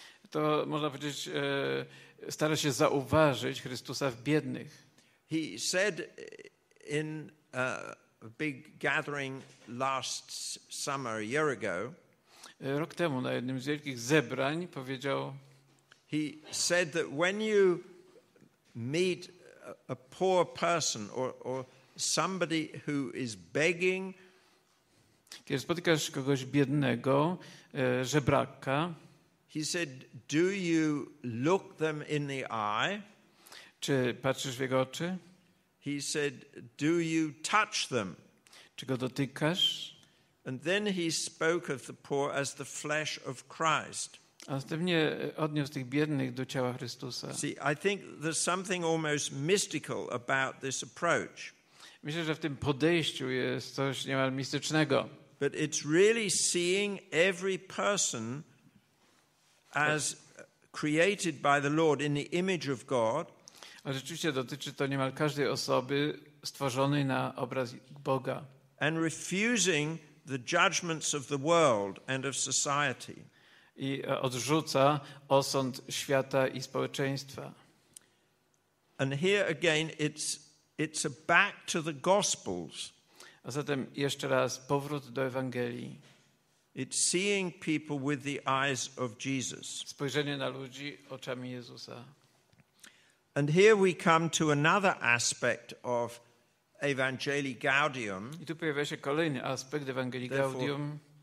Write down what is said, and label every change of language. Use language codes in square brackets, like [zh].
[pl] To można powiedzieć, stara się zauważyć Chrystusa w biednych. [en] He said in a big gathering last summer, a year ago. [pl] Rok temu na jednym z wielkich zebrań powiedział. [en] He said that when you meet a poor person or somebody who is begging, [pl] kiedy spotykasz kogoś biednego, żebraka, [en] he said, do you look them in the eye? [pl] Czy patrzysz w jego oczy? [en] He said, do you touch them? [pl] Czy go dotykasz? [en] And then he spoke of the poor as the flesh of Christ. [pl] A następnie odniósł tych biednych do ciała Chrystusa. [en] See, I think there's something almost mystical about this approach. [pl] Myślę, że w tym podejściu jest coś niemal mistycznego. [en] But it's really seeing every person as created by the Lord in the image of God. [pl] A rzeczywiście dotyczy to niemal każdej osoby stworzonej na obraz Boga. [en] And refusing the judgments of the world and of society. [pl] I odrzuca osąd świata i społeczeństwa. [en] And here again it's a back to the gospels. [pl] A zatem jeszcze raz powrót do Ewangelii. [en] It's seeing people with the eyes of Jesus. [pl] Spojrzenie na ludzi oczami Jezusa. [en] And here we come to another aspect of Evangelii Gaudium. [pl] I tu pojawia się kolejny aspekt Ewangelii Gaudium.